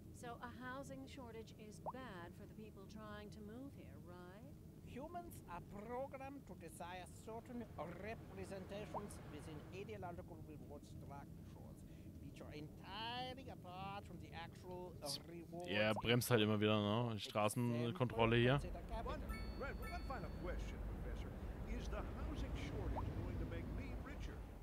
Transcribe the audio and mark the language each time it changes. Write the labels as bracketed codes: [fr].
[en] So a housing shortage is bad for the people trying to move here, right? Humans are programmed to desire certain representations within ideological reward structures, which are entirely apart from the actual rewards. [de] Ja, bremst halt immer wieder, ne? Straßenkontrolle hier. [en] One final question, Professor. Is the housing shortage going to make me richer?